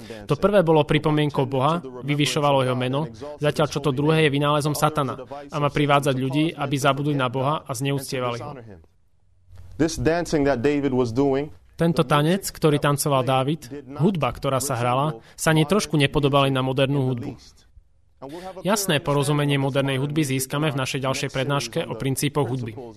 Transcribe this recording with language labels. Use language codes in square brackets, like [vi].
[sk] To prvé bolo pripomienkou Boha, vyvyšovalo jeho meno, zatiaľ čo to druhé je vynálezom satana a má privádzať ľudí, aby zabudli na Boha a zneúctievali ho. [en] This dancing that David was doing, [sk] tento tanec, ktorý tancoval Dávid, hudba, ktorá sa hrala, sa ani trošku nepodobali na modernú hudbu. Jasné porozumenie modernej hudby získame v našej ďalšej prednáške o princípoch hudby.